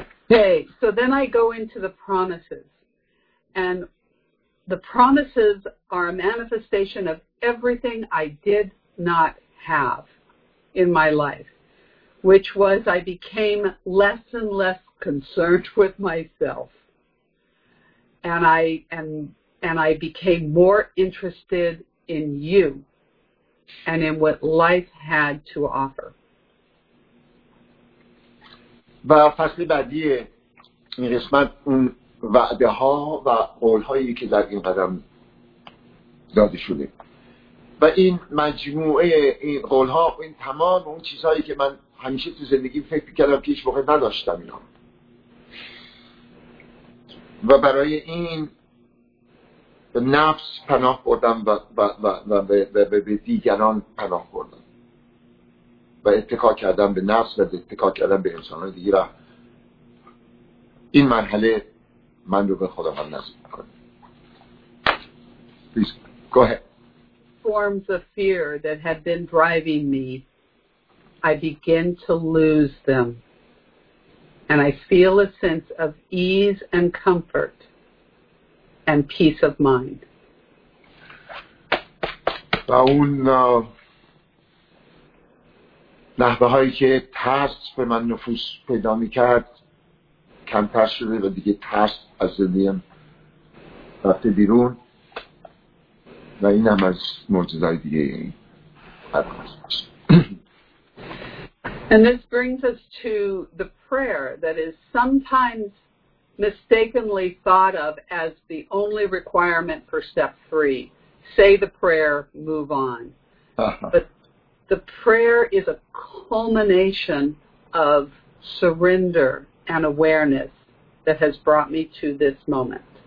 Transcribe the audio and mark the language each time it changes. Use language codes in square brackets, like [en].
[en] Okay, so then I go into the promises. And the promises are a manifestation of everything I did not have in my life, which was I became less and less concerned with myself. And I became more interested in you and in what life had to offer. [fa] و فصل بعدی این قسمت اون وعده ها و قول هایی که در این قدم داده شده و این مجموعه این قول ها و این تمام اون چیزهایی که من همیشه تو زندگی فکر کردم که هیچ وقت نداشتم اینا و برای این به نفس پناه بردم و به دیگران پناه بردم و اتکا کردم به نفس و اتکا کردم به انسان‌های دیگر. این مرحله من رو به خداوند نزدیک کرد. [en] Please go ahead. Forms of fear that had been driving me, I begin to lose them. And I feel a sense of ease and comfort and peace of mind. [fa] و اون نحوه هایی که ترس به من نفوذ پیدا می کرد کمتر شده و دیگه ترس از زندگیم رفته بیرون و این هم از معجزه های دیگه این حرف هست. [en] And this brings us to the prayer that is sometimes mistakenly thought of as the only requirement for step three. Say the prayer, move on. But the prayer is a culmination of surrender and awareness that has brought me to this moment.